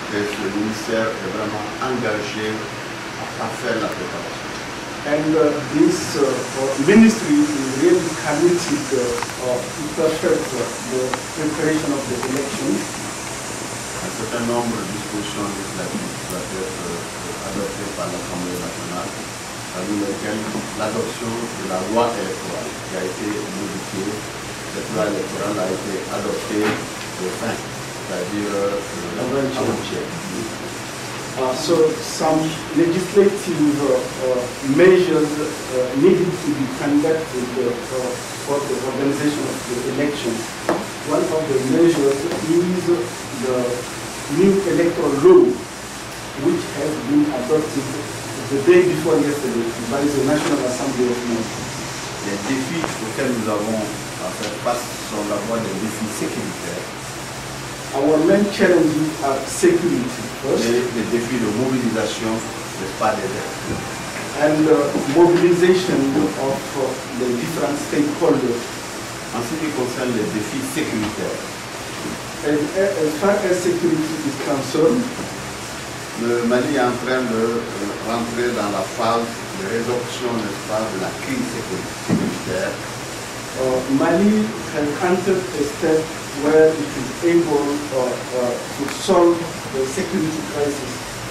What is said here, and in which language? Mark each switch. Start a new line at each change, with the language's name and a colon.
French: Et le ministère est vraiment engagé à faire la préparation.
English: And this ministry is really committed to perfect the preparation of the election.
French: Un certain nombre de dispositions législatives doivent être adoptées par l'Assemblée nationale, parmi lesquelles l'adoption de la loi électorale qui a été modifiée. Cette loi électorale a été adoptée de fin, c'est-à-dire l'avant-hier.
English: So some legislative measures needed to be conducted for the organization of the election. One of the measures is the new electoral law, which has been adopted the day before yesterday by the National Assembly of Nations.
French: Les défis auxquels nous avons à faire face sont d'abord des défis sécuritaires.
English: Our main challenges are security first.
French: Les défis de mobilisation, n'est-ce pas, des défis.
English: And mobilisation of the different stakeholders.
French: En ce qui concerne les défis sécuritaires.
English: As far as security is concerned,
French: le Mali est en train de rentrer dans la phase de résorption, n'est-ce pas, de la crise sécuritaire.
English: Mali has entered a step where it is able to solve the security crisis.